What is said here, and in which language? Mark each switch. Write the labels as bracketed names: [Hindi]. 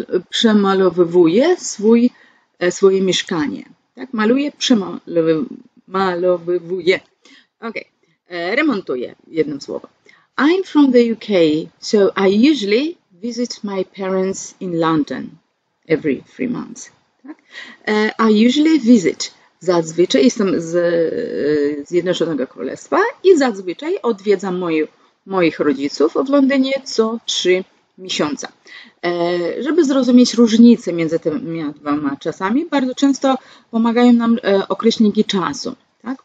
[Polish] przemalowywuje swoje mieszkanie. Tak, maluje, przemalowywuje. Ok, remontuje, jednym słowem. [English] I'm from the UK, so I usually visit my parents in London every 3 months. [Polish] Tak? [English] I usually visit, [Polish] zazwyczaj jestem z Zjednoczonego Królestwa i zazwyczaj odwiedzam moich rodziców w Londynie co 3 miesiące. Żeby zrozumieć różnicę między tymi dwoma czasami, bardzo często pomagają nam określniki czasu. Tak?